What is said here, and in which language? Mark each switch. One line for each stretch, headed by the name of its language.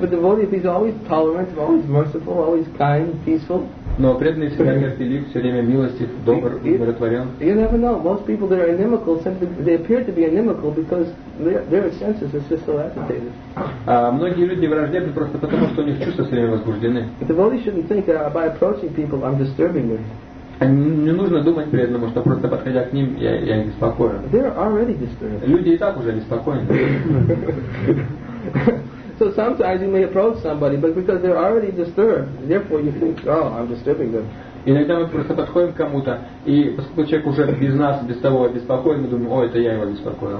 English: But the devotee, he's always tolerant, always merciful, always kind, peaceful.
Russian: Но преданный всегда терпелив, все время милостив, добр, умиротворен.
English: You never know. Most people that are inimical simply they appear to be inimical because their senses are just so agitated.
Russian: Многие люди враждебны просто потому, что у них чувства все время возбуждены.
English: But the devotee shouldn't think that by approaching people I'm disturbing them.
Russian: Не нужно думать при этом, что просто подходя к ним, я их беспокою.
English: They're already disturbed.
Russian: Люди и так уже беспокоены.
English: So sometimes you may approach somebody, but because they're already disturbed, therefore you think, oh, I'm disturbing them.
Russian: Иногда мы просто подходим к кому-то, и поскольку человек уже без нас, без того беспокоен, мы думаем, ой, это я его беспокоил.